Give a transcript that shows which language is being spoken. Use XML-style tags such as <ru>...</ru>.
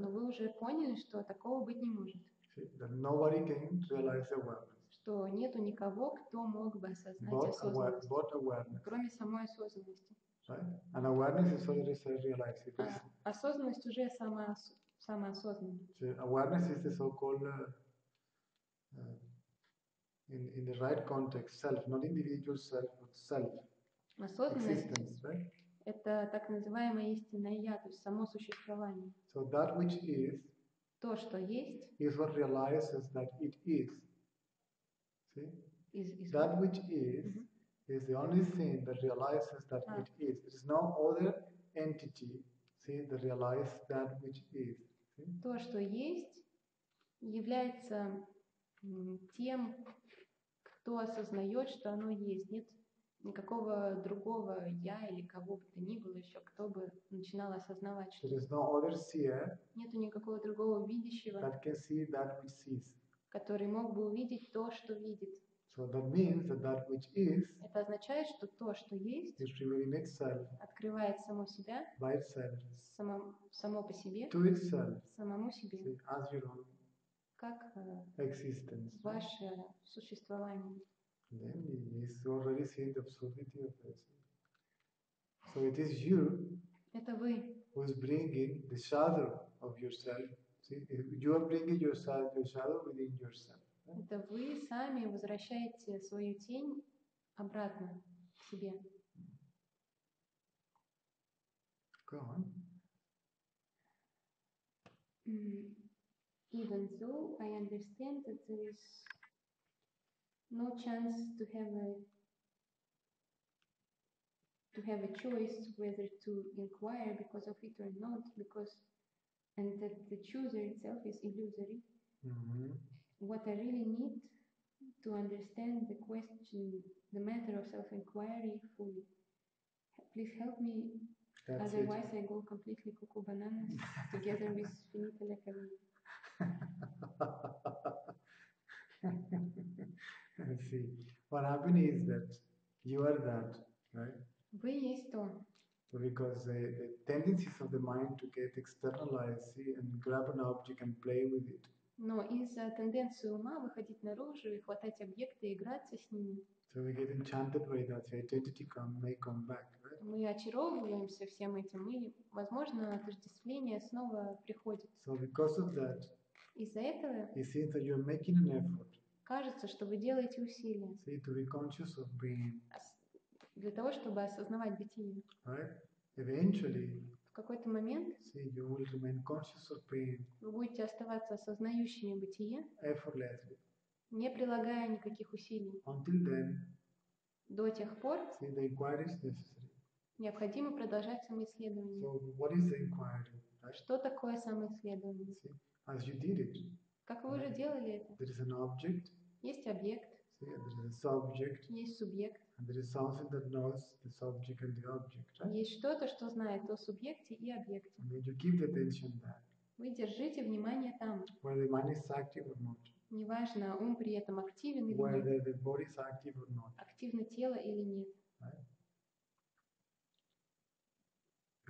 <ru>Но вы уже поняли, что такого быть не может.</ru> <en>See, that nobody can realize awareness.</en> <ru>Что нету никого, кто мог бы осознать осознанность.</ru> <en>But awareness.</en> <ru>Кроме самой осознанности.</ru> <en>Right? And awareness is already self-realized.</en> <ru>Осознанность уже самоосознанность.</ru> <en>See, awareness is the so-called in the right context, self, not individual self, but self.</en> <ru>Осознанность</ru> <en>right?</en> <ru>это так называемое истинное я, то есть само существование.</ru> <en>So that which is,</en> <ru>то, что есть,</ru> <en>is what realizes that it is. See? Is that which is mm-hmm. is the only thing that realizes that it is. There is no other entity, see, that realizes that which is. See?</en> <ru>То, что есть, является тем, кто осознает, что оно есть. Нет никакого другого я или кого бы то ни было еще, кто бы начинал осознавать, что</ru> <en>there is no other seer,</en> <ru>нету никакого другого видящего,</ru> <en>that can see that which sees.</en> <ru>Который мог бы увидеть то, что видит.</ru> <en>So that means that that which is,</en> <ru>это означает, что то, что есть,</ru> <en>is revealing itself,</en> <ru>открывает само себя</ru> <en>by itself,</en> <ru>само по себе,</ru> <en>to itself,</en> <ru>самому себе.</ru> <en>See, as your own.</en> <ru>Как</ru> <en>existence,</en> <ru>ваше</ru> <en>right?</en> <ru>существование.</ru> <en>Then he's already seen the absurdity of this. So it is you who is bringing the shadow of yourself. See, you are bringing yourself, your shadow within yourself. Right?</en> <ru>Это вы сами возвращаете свою тень обратно к себе.</ru> <en>Go on. Even though I understand that there is no chance to have a choice whether to inquire because of it or not, because and that the chooser itself is illusory. Mm-hmm. What I really need to understand the question, the matter of self-inquiry fully. Please help me. That's otherwise, it. I go completely cuckoo bananas together with Finita Lecavina. See, what happened is that you are that, right? Because the tendencies of the mind to get externalized, see, and grab an object and play with it.</en> <ru>Но из-за тенденции ума выходить наружу и хватать объекты и играться с ними.</ru> <en>So we get enchanted by that. The identity may come back, right?</en> <ru>Мы очаровываемся всем этим, и, возможно, отождествление снова приходит.</ru> <en>So because of that.</en> <ru>Из-за этого.</ru> <en>You see that you're making an effort.</en> <ru>Кажется, что вы делаете усилия.</ru> <en>See, to be conscious of being.</en> <ru>Для того, чтобы осознавать бытие.</ru> <en>Right? Eventually.</en> <ru>В какой-то момент.</ru> <en>See, you will remain conscious of being.</en> <ru>Вы будете оставаться осознающими бытие.</ru> <en>Effortlessly.</en> <ru>Не прилагая никаких усилий.</ru> <en>Until then.</en> <ru>До тех пор.</ru> <en>See, the inquiry is necessary.</en> <ru>Необходимо продолжать самоисследование.</ru> <en>So, what is the inquiry? Right?</en> <ru>Что такое самоисследование?</ru> <en>See, as you did it.</en> <ru>Как вы уже делали это?</ru> <en>There is an object.</en> <ru>Есть объект.</ru> <en>See, there is a subject.</en> <ru>Есть субъект.</ru> <en>And there is something that knows the subject and the object, right?</en> <ru>Есть что-то, что знает о субъекте и объекте.</ru> <en>And then you give the attention there.</en> <ru>Вы держите внимание там.</ru> <en>Whether the mind is active or not.</en> <ru>Неважно, ум при этом активен или</ru> <en>Whether</en> <ru>нет.</ru> <en>Whether the body is active or not.</en> <ru>Активно тело или нет.</ru> <en>Right?</en>